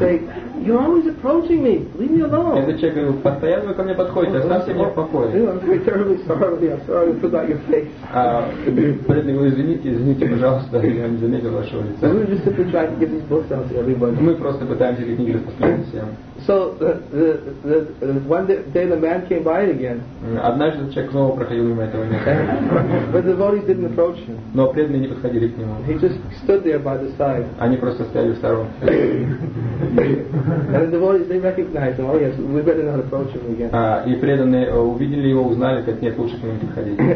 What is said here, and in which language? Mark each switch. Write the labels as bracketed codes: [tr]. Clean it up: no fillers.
[ru] Этот человек говорил: постоянно вы ко мне подходите, оставьте меня в покое. Преданный говорил: извините, пожалуйста, я не заметил вашего лица. Мы просто пытаемся эти книги распространить всем. [en] So the one day the man came by again. [ru] Однажды человек снова проходил мимо этого места. [en] But the devotees didn't approach him. [ru] Но преданные не подходили к нему. [en] He just stood there by the side. [ru] Они просто стояли в сторонке. [en] And the devotees, they recognized him. Oh yes, we better not approach him again. [ru] И преданные увидели его, узнали, как нет, лучше к нему не подходить.